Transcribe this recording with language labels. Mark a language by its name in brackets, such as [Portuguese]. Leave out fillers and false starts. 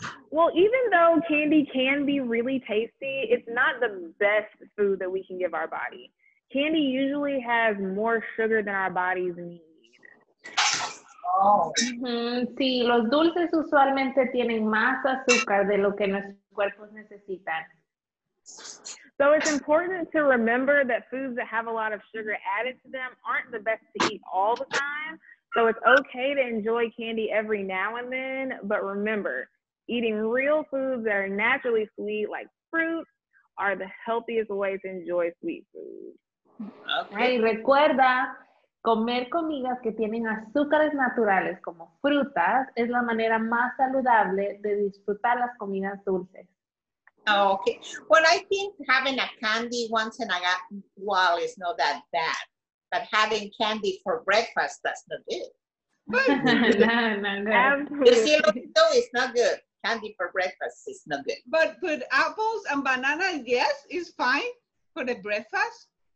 [English] Well, even though candy can be really tasty, it's not the best food that we can give our body. Candy usually has more sugar than our bodies need. Oh. [Spanish] Sí, los dulces usualmente tienen más azúcar de lo que nuestros cuerpos necesitan. [English] So it's important to remember that foods that have a lot of sugar added to them aren't the best to eat all the time. So it's okay to enjoy candy every now and then, but remember, eating real foods that are naturally sweet, like fruit, are the healthiest ways to enjoy sweet food. Okay. [Spanish] Hey, recuerda, comer comidas que tienen azúcares naturales como frutas es la manera más saludable de disfrutar las comidas dulces. [English] Okay. Well, I think having a candy once in a while is not that bad. But having candy for breakfast, that's not good. No. You see, Lopito, it's not good. Candy for breakfast is not good. But apples and bananas, yes, is fine for the breakfast.